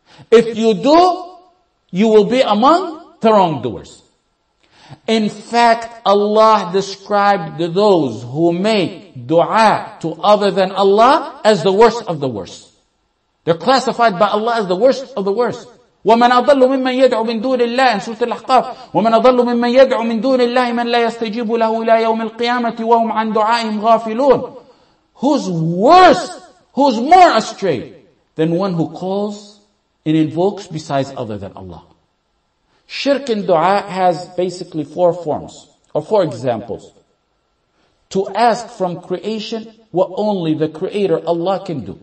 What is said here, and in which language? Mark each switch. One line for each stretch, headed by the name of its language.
English: If you do, you will be among the wrongdoers. In fact, Allah described those who make dua to other than Allah as the worst of the worst. They're classified by Allah as the worst of the worst.
Arabic: وَمَنْ أَضَلُّ مِمَّنْ يَدْعُ مِنْ دُونِ اللَّهِ
English: In Surah Al-Ahqaf,
Arabic: وَمَنْ أَضَلُّ مِمَّنْ يَدْعُ مِنْ دُونِ اللَّهِ مَنْ لَا يَسْتَجِيبُ لَهُ إِلَى يَوْمِ الْقِيَامَةِ وَهُمْ عَنْ دُعَائِهِمْ غَافِلُونَ
English: Who's worse? Who's more astray than one who calls and invokes besides other than Allah? Shirk in dua has basically four forms, or four examples. To ask from creation what only the Creator Allah can do.